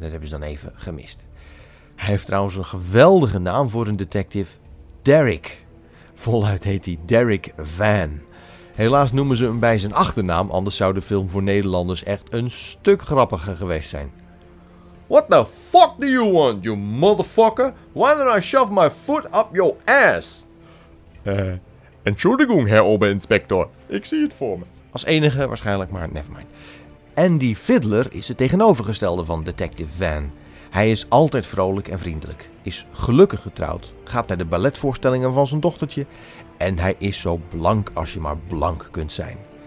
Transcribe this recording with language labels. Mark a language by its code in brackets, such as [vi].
[nl] Dat hebben ze dan even gemist. Hij heeft trouwens een geweldige naam voor een detective: Derek. Voluit heet hij Derek Van. Helaas noemen ze hem bij zijn achternaam, anders zou de film voor Nederlanders echt een stuk grappiger geweest zijn. [en] What the fuck do you want, you motherfucker? Why don't I shove my foot up your ass? [de] Entschuldigung, Herr Oberinspektor. [nl] Ik zie het voor me. Als enige waarschijnlijk, maar nevermind. Andy Fiddler is het tegenovergestelde van Detective Van. Hij is altijd vrolijk en vriendelijk. Is gelukkig getrouwd. Gaat naar de balletvoorstellingen van zijn dochtertje. En hij is zo blank als je maar blank kunt zijn.